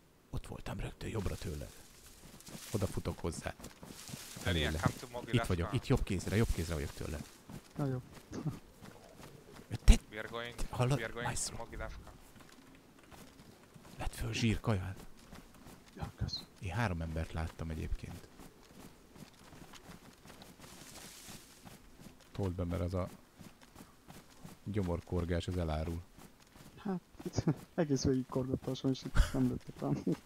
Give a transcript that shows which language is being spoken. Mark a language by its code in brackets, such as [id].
[hu] Ott voltam rögtön jobbra tőled. Oda futok hozzá. Elé. Itt vagyok, itt jobb kézre vagyok tőle. Na jó. [en] We're going to Mogilevka. [hu] Vedd föl zsírkaját. Ja, kösz. Én három embert láttam egyébként. Told be, mert az a gyomorkorgás az elárul. Hát, egész végig korgattasson, és itt nem lőttek rám.